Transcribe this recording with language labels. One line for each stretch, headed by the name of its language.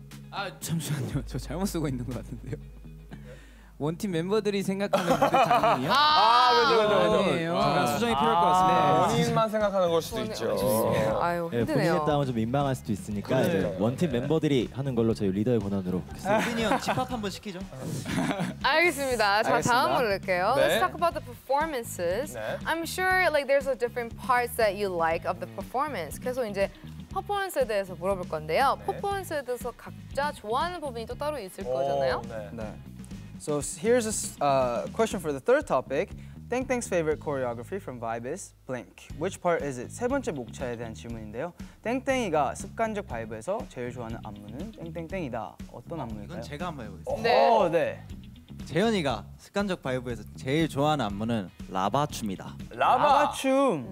Korean: 아 잠시만요, 저 잘못 쓰고 있는 것 같은데요. 원팀 멤버들이 생각하는 무대 장인이요? 아, 맞아요, 맞아요. 잠깐 수정이 필요할 것 같습니다. 네. 본인만 생각하는 걸 수도 있죠. 아유, 힘드네요. 네, 본인에 따면 좀 민망할 수도 있으니까 네. 원팀 멤버들이 하는 걸로 저희 리더의 권한으로. 루빈이 형 집합 한번 시키죠. 알겠습니다. 자, 다음으로 갈게요. 네.
English: Let's talk about the performances.
Korean: 네.
English: I'm sure like there's a different parts that you like of the performance.
Korean: 계속 이제 퍼포먼스에 대해서 물어볼 건데요. 네. 퍼포먼스에 대해서 각자 좋아하는 부분이 또 따로 있을 거잖아요. 네. 네.
English: So here's a question for the third topic. Thank Thank's favorite choreography from Vibe is blank. Which part is it?
Korean: 세 번째 목차에 대한 질문인데요. 땡땡이가 습관적 바이브에서 제일 좋아하는 안무는 땡땡땡이다. 어떤 안무일까요? 이건 제가 한번 해보겠습니다. 네. 재현이가 습관적 바이브에서 제일 좋아하는 안무는 라바춤이다. 라바춤.